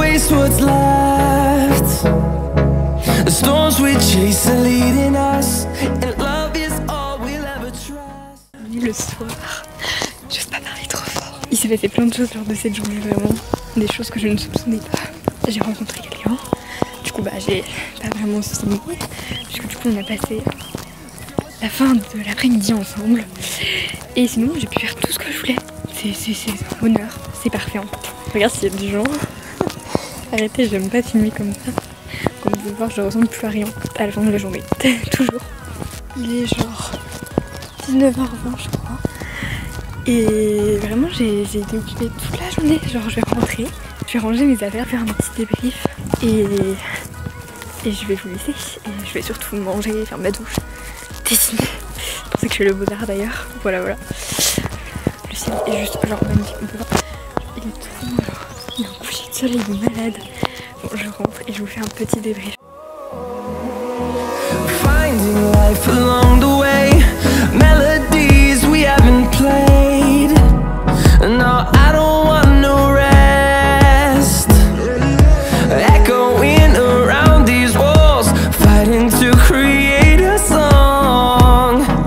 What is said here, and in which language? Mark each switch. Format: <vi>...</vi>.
<en>What's left? The storms we chase are leading us, and love is all we'll ever trust.</en> <fr>Le soir, j'ose pas parler trop fort. Il s'est passé plein de choses lors de cette journée, vraiment des choses que je ne soupçonnais pas. J'ai rencontré quelqu'un, du coup, j'ai pas vraiment filmé. Parce que du coup, on a passé la fin de l'après-midi ensemble, et sinon, j'ai pu faire tout ce que je voulais. C'est un bonheur, c'est parfait. Hein. Regarde s'il y a du genre. Arrêtez, j'aime pas filmer comme ça. Comme vous pouvez voir, je ressemble plus à rien à la fin de la journée. Toujours. Il est genre 19h20, je crois. Et vraiment, j'ai été occupée toute la journée. Genre, je vais rentrer, je vais ranger mes affaires, faire un petit débrief. Et je vais vous laisser. Et je vais surtout manger, faire ma douche, dessiner. C'est pour ça que je fais le Beaux-Arts d'ailleurs. Voilà, voilà. Le ciel est juste genre magnifique. On peut voir. Il est tout genre. Il y a un coucher de soleil malade. Bon, je rentre et je vous fais un petit débrief.</fr> <en>Finding life along the way. Melodies we haven't played. No, I don't want no rest. Echoing around these walls. Fighting to create a song.</en>